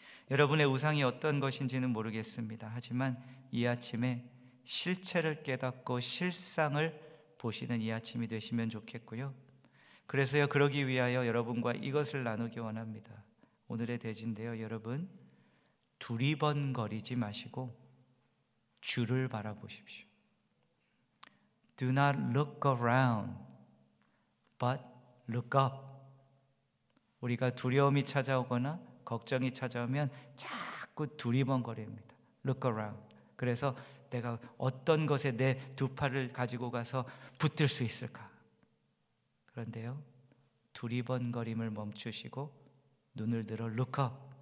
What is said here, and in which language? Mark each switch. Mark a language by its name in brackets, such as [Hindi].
[Korean] 여러분의 우상이 어떤 것인지는 모르겠습니다. 하지만 이 아침에 실체를 깨닫고 실상을 보시는 이 아침이 되시면 좋겠고요. 그래서요, 그러기 위하여 여러분과 이것을 나누기 원합니다. 오늘의 대진데요, 여러분, 두리번거리지 마시고 주를 바라보십시오. [English] Do not look around, but look up. [Korean] 우리가 두려움이 찾아오거나 걱정이 찾아오면 자꾸 두리번거립니다. [English] Look around. [Korean] 그래서 내가 어떤 것에 내 두 팔을 가지고 가서 붙들 수 있을까? 그런데요, 두리번거림을 멈추시고 눈을 들어 [English] look up.